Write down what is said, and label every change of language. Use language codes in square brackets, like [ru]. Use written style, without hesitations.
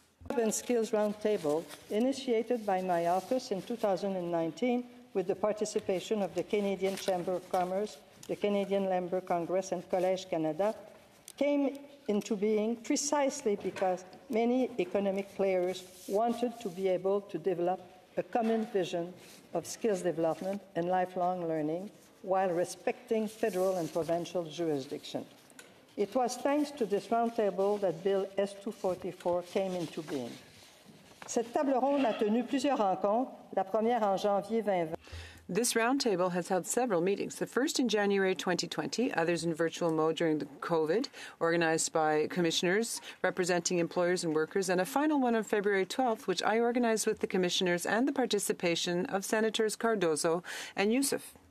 [en] Urban Skills Roundtable, initiated by my office in 2019 with the participation of the Canadian Chamber of Commerce, the Canadian Labour Congress and Collège Canada, came into being precisely because many economic players wanted to be able to develop a common vision of skills development and lifelong learning while respecting federal and provincial jurisdiction. It was thanks to this roundtable that Bill S-244 came into being. [fr] Cette table ronde a tenu plusieurs rencontres, la première en janvier 2020. [en] This roundtable has held several meetings, the first in January 2020, others in virtual mode during the COVID, organized by commissioners representing employers and workers, and a final one on February 12th, which I organized with the commissioners and the participation of Senators Cardozo and Youssef.